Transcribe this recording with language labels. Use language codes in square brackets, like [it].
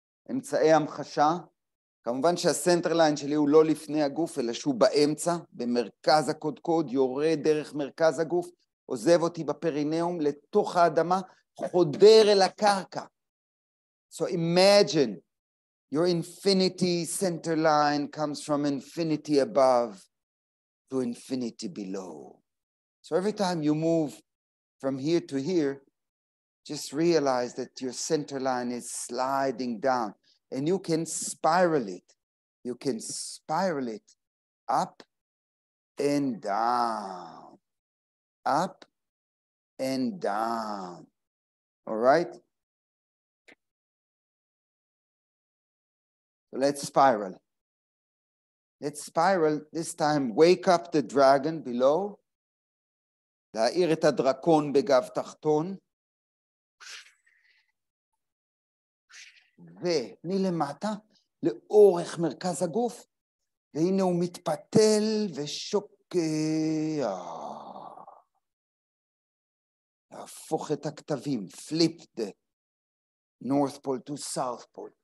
[he] אמצעי המחשה. כמובן שהסנטר ליין שלי הוא לא לפני הגוף, אלא שהוא באמצע, במרכז הקודקוד, יורה דרך מרכז הגוף, עוזב אותי בפרינאום לתוך האדמה, חודר אל הקרקע. [en] So imagine your infinity center line comes from infinity above to infinity below. So every time you move from here to here, just realize that your center line is sliding down and you can spiral it. You can spiral it up and down. Up and down. All right? Let's spiral. This time, wake up the dragon below. [he] להאיר את הדרקון בגב תחתון. ומלמטה, לאורך מרכז הגוף, והנה הוא מתפתל ושוקע. להפוך את הכתבים. [en] Flip the north pole to south pole.